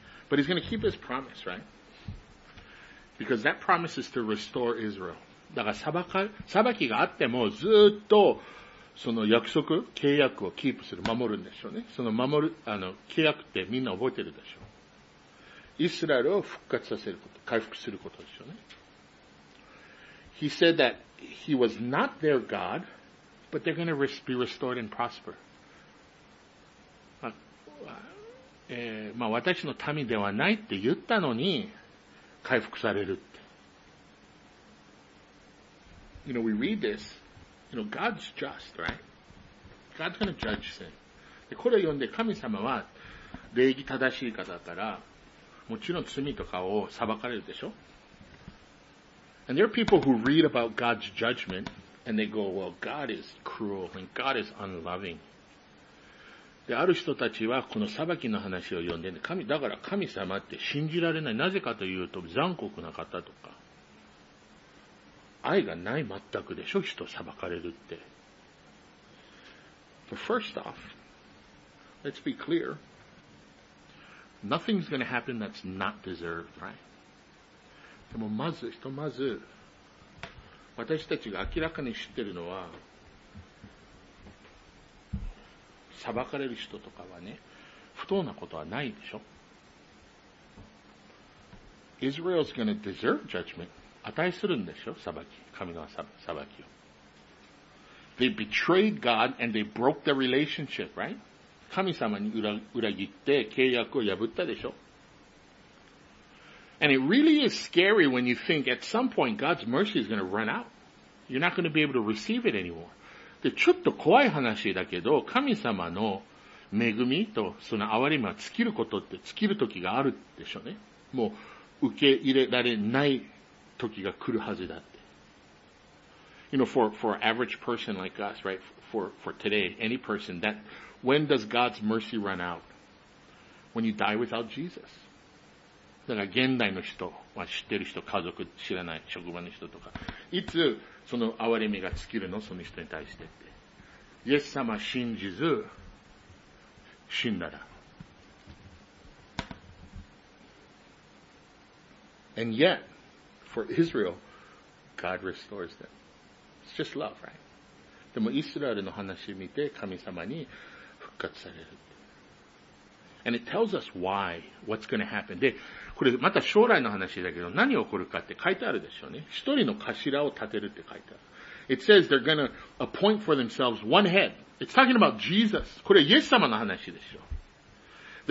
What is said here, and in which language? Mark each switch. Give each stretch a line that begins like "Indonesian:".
English: But he's gonna keep his promise, right? Because that promise is to restore Israel.
Japanese: だから裁きがあってもずっとその約束、契約をキープする、守るんでしょうね。その守る、あの、契約ってみんな覚えてるでしょう。イスラエルを復活させること、回復することでしょうね。
English: He said that he was not their God, but they're gonna be restored and prosper.
Japanese: まあ、私の民ではないって言ったのに回復されるって。
English: You know, we read this. You know, God's just, right? God's going to judge sin.
Japanese: これを読んで神様は礼儀正しい方だから、もちろん罪とかを裁かれるでしょ。
English: And there are people who read about God's judgment and they go, well, God is cruel and God is unloving.
Japanese: で、ある人たちはこの裁きの話を読んで、神、だから神様って信じられない。なぜかというと残酷な方とか。愛がない全くでしょ、人を裁かれるって。
English: But first off, let's be clear. Nothing's going to happen that's not deserved, right?
Japanese: でもまず、ひとまず、私たちが明らかに知ってるのは、裁かれる人とかはね、不当なことはないでしょ。
English: Israel's going to deserve judgment.
Japanese: 値するんでしょ、裁き、神の裁きを。
English: They betrayed God and they broke the relationship, right?
Japanese: 神様に 裏切って契約を破ったでしょ。
English: And it really is scary when you think at some point God's mercy is going to run out. You're not going to be able to receive it anymore.
Japanese: で、ちょっと怖い話だけど、神様の恵みとその憐れみは尽きることって、尽きる時があるでしょうね。もう受け入れられない。時が来るはずだって。
English: You know, for an average person like us, right? For today, any person, that, when does God's mercy run out? When you die without Jesus.
Japanese: だから現代の人は知ってる人、家族知らない職場の人とか、いつその憐れみが尽きるの、その人に対してって。イエス様信じず、死んだら。
English: And yet,For Israel, God restores them. It's just love, right?
Japanese: でもイスラエルの話を見て神様に復活される。
English: And it tells us why, what's going to happen.
Japanese: で、これまた将来の話だけど何起こるかって書いてあるでしょうね。一人の頭を立てるって書いてある。
English: It says they're going to appoint for themselves one head. It's talking about Jesus.
Japanese: これイエス様の話でしょう。